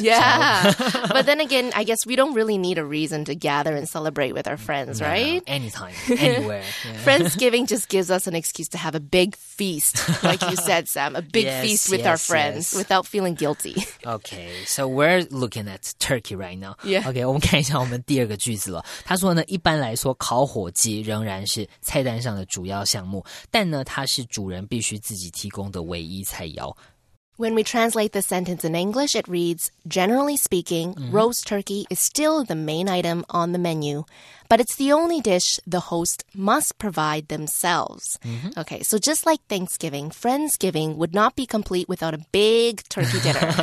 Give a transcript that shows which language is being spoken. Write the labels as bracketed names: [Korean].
[English] Yeah. So. But then again, I guess we don't really need a reason to gather and celebrate with our friends, no, right? Anytime, anywhere. Yeah. Friendsgiving just gives us an excuse to have a big feast, like you said, Sam, a big feast with our friends without feeling guilty. Okay. So we're looking at turkey right now. Yeah. Okay. [Chinese] 我们看一下我们第二个句子了。他说呢，一般来说，烤火鸡仍然是菜单上的主要项目，但呢，它是主人必须自己提供的唯一菜。 [English] When we translate the sentence in English, it reads, Generally speaking, roast turkey is still the main item on the menu, but it's the only dish the host must provide themselves. Mm-hmm. Okay, so just like Thanksgiving, Friendsgiving would not be complete without a big turkey dinner.